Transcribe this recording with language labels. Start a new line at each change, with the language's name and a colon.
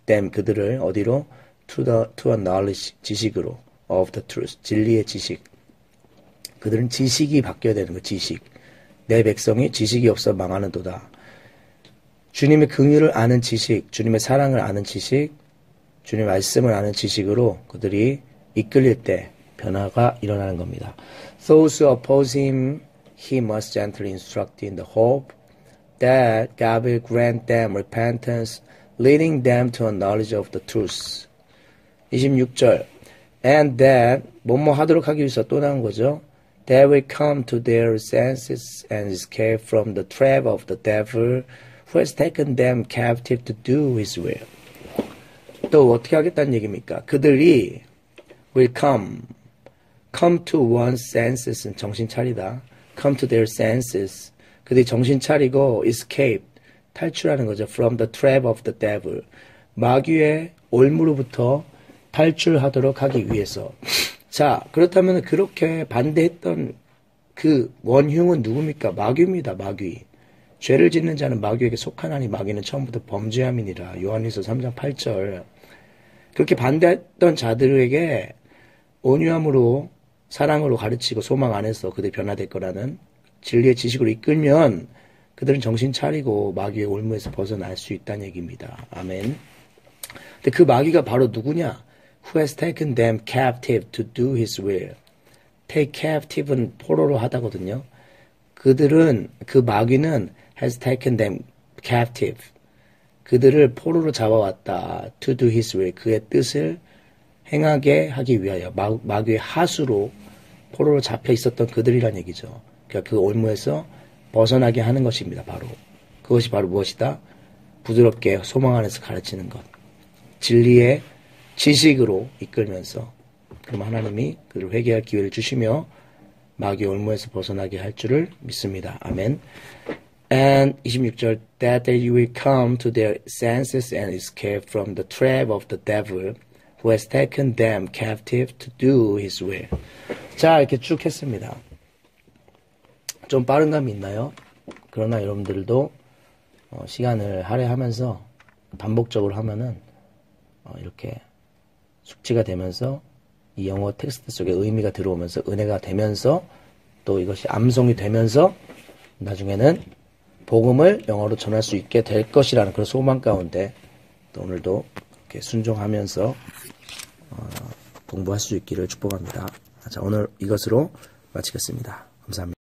English: them
Korean: 그들을 어디로
English: to a knowledge
Korean: 지식으로
English: of the truth
Korean: 진리의 지식 그들은 지식이 바뀌어야 되는 거 지식 내 백성이 지식이 없어 망하는 도다. 주님의 긍휼을 아는 지식, 주님의 사랑을 아는 지식, 주님의 말씀을 아는 지식으로 그들이 이끌릴 때 변화가 일어나는 겁니다.
English: Those who oppose him, he must gently instruct in the hope that God will grant them repentance, leading them to a knowledge of the truth.
Korean: 26절,
English: and that
Korean: 뭐뭐 하도록 하기 위해서 또 나온 거죠.
English: They will come to their senses and escape from the trap of the devil who has taken them captive to do his will.
Korean: 또 어떻게 하겠다는 얘기입니까? 그들이
English: will come to one's senses,
Korean: 정신 차리다.
English: come to their senses.
Korean: 그들이 정신 차리고
English: escape,
Korean: 탈출하는 거죠.
English: from the trap of the devil.
Korean: 마귀의 올무로부터 탈출하도록 하기 위해서. 자, 그렇다면 그렇게 반대했던 그 원흉은 누굽니까? 마귀입니다, 마귀. 죄를 짓는 자는 마귀에게 속하나니 마귀는 처음부터 범죄함이니라. 요한일서 3장 8절. 그렇게 반대했던 자들에게 온유함으로 사랑으로 가르치고 소망 안에서 그들이 변화될 거라는 진리의 지식으로 이끌면 그들은 정신 차리고 마귀의 올무에서 벗어날 수 있다는 얘기입니다. 아멘. 근데 그 마귀가 바로 누구냐?
English: Who has taken them captive to do his will? Take captive은
Korean: 포로로 하다거든요. 그들은, 그 마귀는
English: has taken them captive.
Korean: 그들을 포로로 잡아왔다.
English: To do his will.
Korean: 그의 뜻을 행하게 하기 위하여. 마귀의 하수로 포로로 잡혀 있었던 그들이란 얘기죠. 그러니까 그 올무에서 벗어나게 하는 것입니다. 바로. 그것이 바로 무엇이다? 부드럽게 소망 안에서 가르치는 것. 진리의 지식으로 이끌면서 그럼 하나님이 그를 회개할 기회를 주시며 마귀 올무에서 벗어나게 할 줄을 믿습니다. 아멘.
English: And 26절 that you will come to their senses and escape from the trap of the devil who has taken them captive to do his will.
Korean: 자, 이렇게 쭉 했습니다. 좀 빠른 감이 있나요? 그러나 여러분들도 시간을 할애하면서 반복적으로 하면은 이렇게 숙지가 되면서 이 영어 텍스트 속에 의미가 들어오면서 은혜가 되면서 또 이것이 암송이 되면서 나중에는 복음을 영어로 전할 수 있게 될 것이라는 그런 소망 가운데 또 오늘도 이렇게 순종하면서 공부할 수 있기를 축복합니다. 자, 오늘 이것으로 마치겠습니다. 감사합니다.